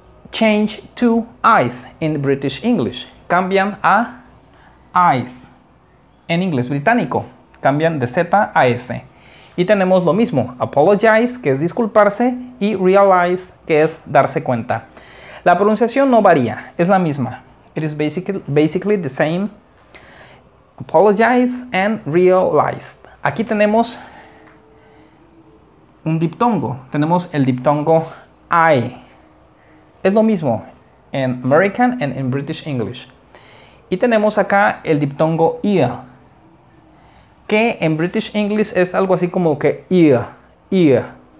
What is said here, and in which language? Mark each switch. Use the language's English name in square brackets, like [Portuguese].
[English] Change to ice in British English. [Spanish] Cambian a ice. En inglés británico, cambian de Z a S. Y tenemos lo mismo, apologize, que es disculparse, y realize, que es darse cuenta. La pronunciación no varía, es la misma. [English] It is basically the same. Apologize and realize. [Spanish] Aquí tenemos un diptongo. Tenemos el diptongo I. Es lo mismo en American and in British English. Y tenemos acá el diptongo ear, que en British English es algo así como que ear, ear.